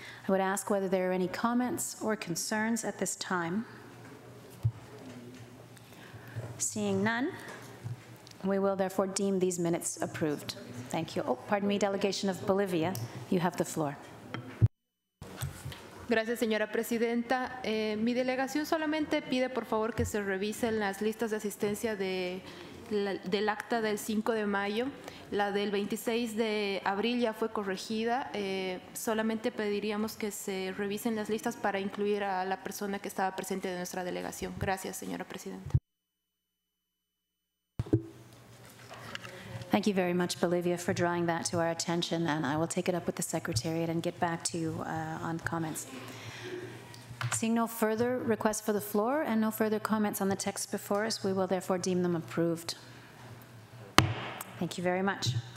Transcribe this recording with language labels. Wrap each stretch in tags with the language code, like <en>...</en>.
<en>I would ask whether there are any comments or concerns at this time. Seeing none, we will therefore deem these minutes approved. Thank you. Oh, pardon me, Delegation of Bolivia, you have the floor.</en> <es>Gracias, señora presidenta. Mi delegación solamente pide, por favor, que se revisen las listas de asistencia del acta del 5 de mayo. La del 26 de abril ya fue corregida. Solamente pediríamos que se revisen las listas para incluir a la persona que estaba presente de nuestra delegación. Gracias, señora presidenta.</es> <en>Thank you very much, Bolivia, for drawing that to our attention, and I will take it up with the Secretariat and get back to you on comments. Seeing no further requests for the floor and no further comments on the text before us, we will therefore deem them approved. Thank you very much.</en>